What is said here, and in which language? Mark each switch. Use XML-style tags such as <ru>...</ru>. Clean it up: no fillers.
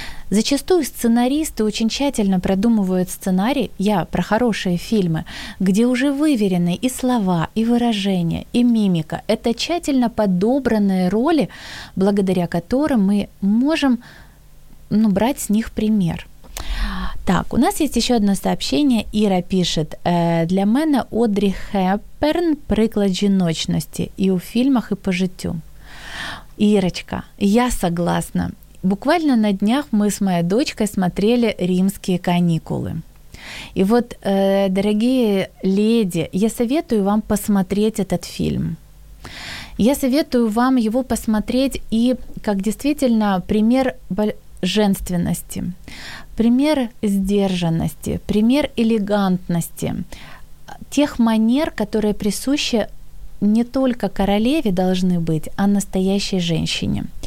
<ru>Зачастую сценаристы очень тщательно продумывают сценарий, я про хорошие фильмы, где уже выверены и слова, и выражения, и мимика. Это тщательно подобранные роли, благодаря которым мы можем брать с них пример. Так, у нас есть еще одно сообщение. Ира пишет:</ru> <uk>для мене Одрі Хепберн приклад жіночності і у фільмах, і по життю.</uk> <ru>Ирочка, я согласна. Буквально на днях мы с моей дочкой смотрели «Римские каникулы». И вот, дорогие леди, я советую вам посмотреть этот фильм. Я советую вам его посмотреть и как действительно пример женственности, пример сдержанности, пример элегантности, тех манер, которые присущи не только королеве должны быть, а настоящей женщине.</ru>